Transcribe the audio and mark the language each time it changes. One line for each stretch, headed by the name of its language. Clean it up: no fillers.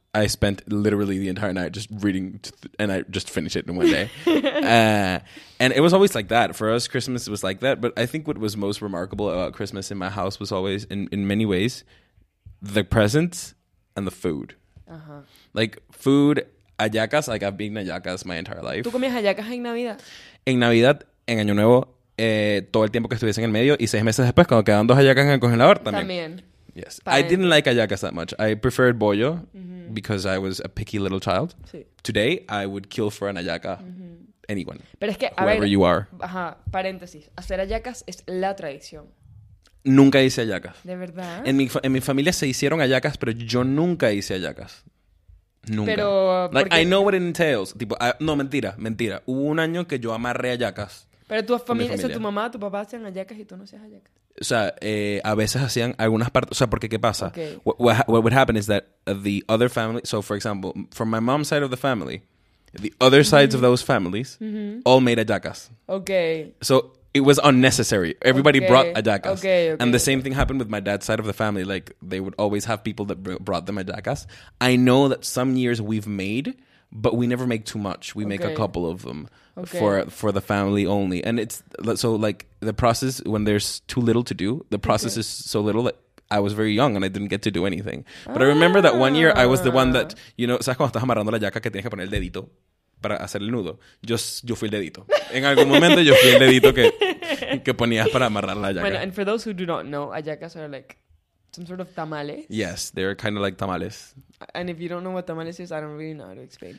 English: I spent literally the entire night just reading, and I just finished it in one day. And it was always like that. For us, Christmas was like that. But I think what was most remarkable about Christmas in my house was always, in many ways, the presents and the food. Uh-huh. Like, food, hallacas, like, I've been hallacas my entire life.
Spanish: ¿Tú comías hallacas en Navidad? En Navidad, en Año Nuevo, todo el tiempo que estuviese en el medio, y seis meses después, cuando quedan dos hallacas en el congelador también. También.
English: Yes. Pa I didn't like hallacas that much. I preferred bollo mm-hmm. because I was a picky little child.
Spanish: Sí.
English: Today, I would kill for an hallaca. Mm-hmm. Anyone.
Spanish: Pero es que,
English: whoever
Spanish: a ver,
English: you are.
Spanish: Ajá, paréntesis. Hacer hallacas es la tradición. Nunca hice hallacas. ¿De verdad? En mi familia se hicieron hallacas, pero yo nunca hice hallacas. Nunca. Pero,
English: like, I know what it entails.
Spanish: Tipo, mentira. Hubo un año que yo amarré hallacas. Pero tu familia, o sea, tu mamá, tu papá hacían hallacas y tú no hacías hallacas. O sea, a veces hacían algunas partes. O sea, porque ¿qué pasa?
English: Okay. What would happen is that the other family... So, for example, from my mom's side of the family, the other mm-hmm. sides of those families mm-hmm. all made hallacas. Okay. So, it was unnecessary. Everybody okay. brought hallacas. Okay, okay. And the same thing happened with my dad's side of the family. Like, they would always have people that brought them hallacas. I know that some years we've made, but we never make too much. We okay. make a couple of them. Okay. For the family only. And it's so, like, the process when there's too little to do, the process okay. is so little that I was very young and I didn't get to do anything. But I remember that one year I was the one that, you know,
Spanish: ¿sabes cuando estás amarrando la yaca que tienes que poner el dedito para hacer el nudo? Yo fui el dedito. En algún momento yo fui el dedito que ponías para amarrar la yaca.
English: Bueno, and for those who do not know, hallacas are like some sort of tamales. Yes, they're kind of like tamales. And if you don't know what tamales is, I don't really know how to explain.